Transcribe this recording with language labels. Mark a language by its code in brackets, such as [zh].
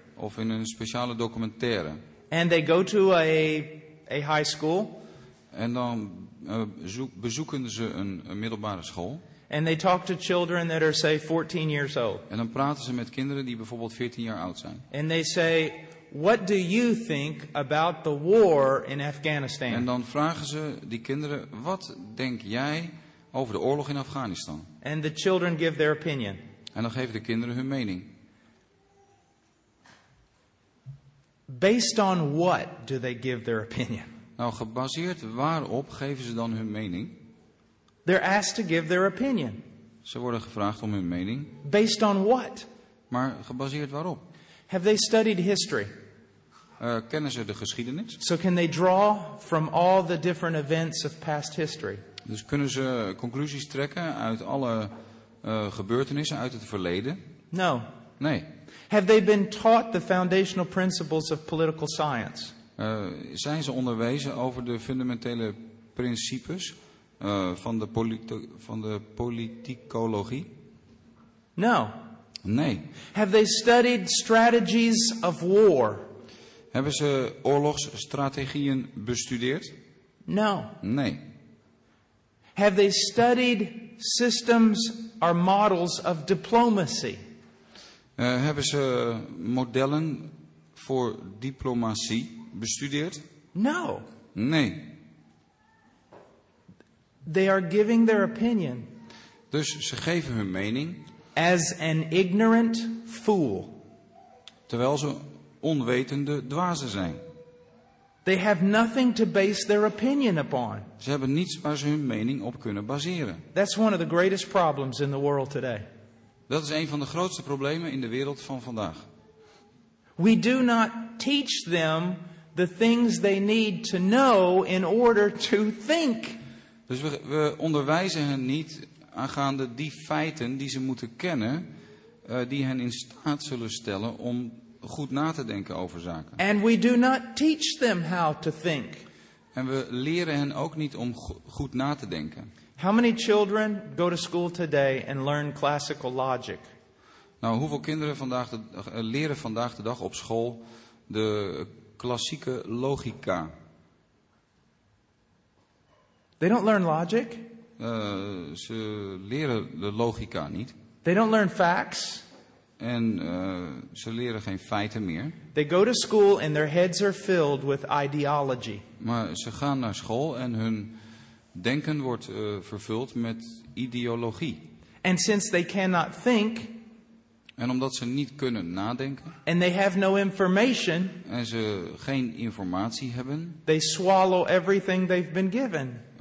[nl] Of in een speciale documentaire. [en] And they go to a high school. [nl] En dan bezoeken ze een middelbare school. [en] And they talk to children that are say 14 years old. [nl] En dan praten ze met kinderen die bijvoorbeeld 14 jaar oud zijn. [en] And they say, what do you think about the war in Afghanistan? [nl] En dan vragen ze die kinderen, wat denk jij over de oorlog in Afghanistan? [en] And the children give their opinion. [nl] En dan geven de kinderen hun mening. [en] Based on what do they give their opinion? [nl] Nou, gebaseerd waarop geven ze dan hun mening? [en] They're asked to give their opinion. [nl] Ze worden gevraagd om hun mening. [en] Based on what? [nl] Maar gebaseerd waarop? [en] Have they studied history? [nl] Kennen ze de geschiedenis? [en] So can they draw from all the different events of past history? [nl] Dus kunnen ze conclusies trekken uit alle gebeurtenissen uit het verleden? [en] No. [nl] Nee. [en] Have they been taught the foundational principles of political science? [nl] Zijn ze onderwezen over de fundamentele principes van de politicologie? [en] No. [nl] Nee. [en] Have they studied strategies of war? [nl] Hebben ze oorlogsstrategieën bestudeerd? [en] No. [nl] Nee. [en] Have they studied systems or models of diplomacy? [nl] Hebben ze modellen voor diplomatie bestudeerd? [en] No. [nl] Nee. [en] They are giving their opinion. [nl] Dus ze geven hun mening. [en] As an ignorant fool. [nl] Terwijl ze onwetende dwazen zijn. [en] They have nothing to base their opinion upon. [nl] Ze hebben niets waar ze hun mening op kunnen baseren. [en] That's one of the greatest problems in the world today. [nl] Dat is een van de grootste problemen in de wereld van vandaag. [en] We do not teach them the things they need to know in order to think. [nl] Dus we onderwijzen hen niet aangaande die feiten die ze moeten kennen, die hen in staat zullen stellen om goed na te denken over zaken. [en] And we do not teach them how to think. [nl] En we leren hen ook niet om goed na te denken. [en] How many children go to school today and learn classical logic? [nl] Nou, hoeveel kinderen vandaag leren vandaag de dag op school de klassieke logica? [en] They don't learn logic. [nl] Ze leren de logica niet. [en] They don't learn facts. [nl] En ze leren geen feiten meer. [en] They go to school and their heads are filled with ideology. [nl] Maar ze gaan naar school en hun denken wordt vervuld met ideologie. [en] And since they cannot think, [nl] en omdat ze niet kunnen nadenken, [en] and they have no information, [nl] en ze geen informatie hebben, [en] they swallow everything they've been given.